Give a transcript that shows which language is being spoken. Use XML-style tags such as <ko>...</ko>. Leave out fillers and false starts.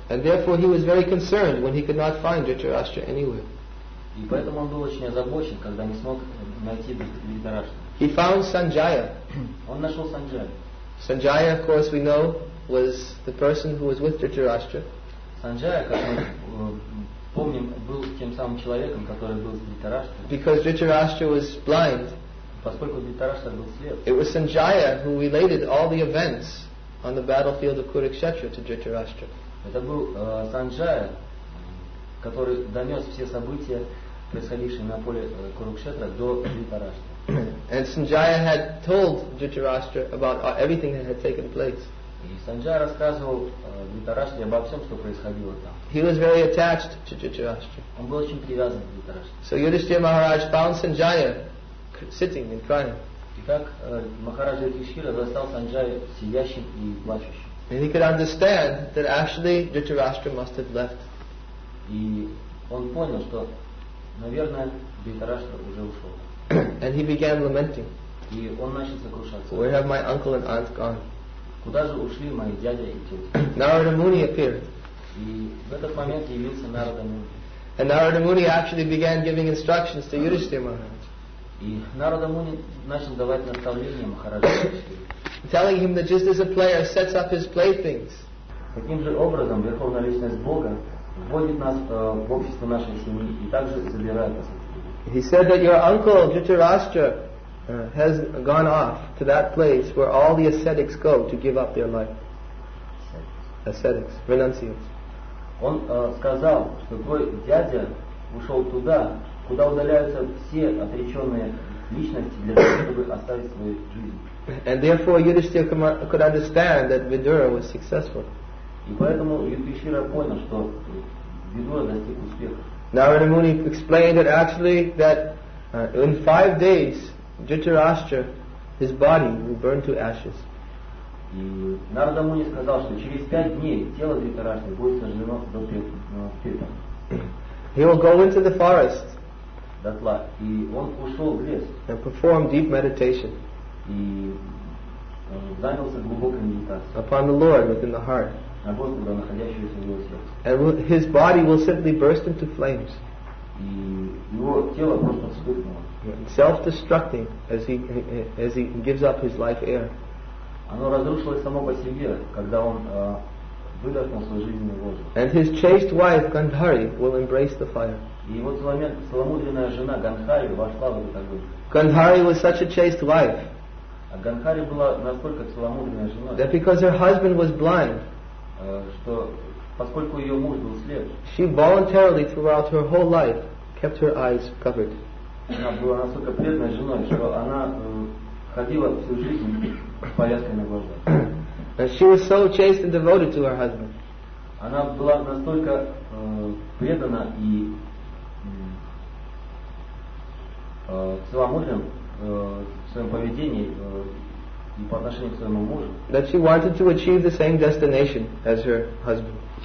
<en>And therefore he was very concerned when he could not find Dhritarashtra anywhere.</en> <ru>И поэтому он был очень озабочен, когда не смог найти Дхритараштру.</ru> <en>He found Sanjaya.</en> <ru>Он нашел Sanjaya.</ru> <en>Sanjaya, of course, we know, was the person who was with Dhritarashtra.</en> <ru>Sanjaya, как мы помним, был тем самым человеком, который был с Дхритараштрой.</ru> <en>Because Dhritarashtra was blind.</en> <ru>Поскольку Дхритараштра был слеп.</ru> <en>It was Sanjaya who related all the events on the battlefield of Kurukshetra to Dhritarashtra.</en> <ru>Это был Sanjaya, который донес все события, происходившие на поле Курукшетра, до Дхритараштры.</ru> <en>And Sanjaya had told Dhritarashtra about everything that had taken place.</en> <ru>И Sanjaya рассказывал Дхритараштре обо всем, что происходило там.</ru> <en>He was very attached to Dhritarashtra.</en> <ru>Он был очень привязан к Дхритараштре.</ru> <en>So Yudhishthira Maharaj found Sanjaya sitting and crying.</en> <ru>Итак, Махараджа Юдхиштхира застал Sanjaya сидящим и плачущим.</ru> <en>And he could understand that actually Dhritarashtra must have left.</en> <ru>И он понял, что, наверное, Дхритараштра уже ушел.</ru> <en>And he began lamenting.</en> <ru>И он начал сокрушаться.</ru> <en>Where have my uncle and aunt gone?</en> <ru>Куда же ушли мои дядя и тетя?</ru> <en>Narada Muni appeared.</en> <ru>И в этот момент явился Narada Muni.</ru> <en>And Narada Muni actually began giving instructions to Yudhishthira Maharaj.</en> <ru>И Narada Muni начал давать наставления Махараджу Юдхиштхире.</ru> <en>Telling him that just as a player sets up his playthings.</en> <ru>Таким же образом Верховная Личность Бога вводит нас в общество нашей семьи и также забирает нас.</ru> <en>He said that your uncle Dhritarashtra has gone off to that place where all the ascetics go to give up their life. Ascetics, renunciates.</en> <ru>Он сказал, что твой дядя ушел туда, куда удаляются все отреченные личности для того, чтобы оставить свою жизнь.</ru> <en>And therefore Yudhishthira could understand that Vidura was successful.</en> <ru>И поэтому Юдхиштхира понял, что Видура достиг успеха.</ru> <en>Narada Muni explained that actually that in 5 days Dhritarashtra his body will burn to ashes.</en> <ru>И Нарада Муни сказал, что через 5 дней тело Дхритараштры будет сожжено до пепла.</ru> <en>He will go into the forest.</en> <ru>Дотла. И он ушел в лес.</ru> <en>And perform deep meditation.</en> <ru>И занялся глубокой медитацией.</ru> <en>Upon the Lord within the heart.</en> <ru>На Господа, находящегося в его сердце.</ru> <en>And his body will simply burst into flames.</en> <ru>И его тело просто вспыхнуло.</ru> <en>Self-destructing as he gives up his life air.</en> <ru>Оно разрушилось само по себе, когда он выдохнул свой жизненный воздух.</ru> <en>And his chaste wife Gandhari will embrace the fire.</en> <ru>И его целомудренная жена Гандхари вошла в этот огонь.</ru> <en>Gandhari was such a chaste wife.</en> <ru>А Гандхари была настолько целомудренная жена.</ru> <en>That because her husband was blind,</en> <ru>что поскольку ее муж был слеп,</ru> <en>she voluntarily throughout her whole life kept her eyes covered.</en> <ru>Она была настолько преданной женой, что она ходила всю жизнь с повязкой на глазах.</ru> <en>And she was so chaste and devoted to her husband.</en> <ru>Она была настолько предана и целомудрена в своем поведении и по отношению к своему мужу.</ru> <en>That she wanted to achieve the same destination as her husband.</en>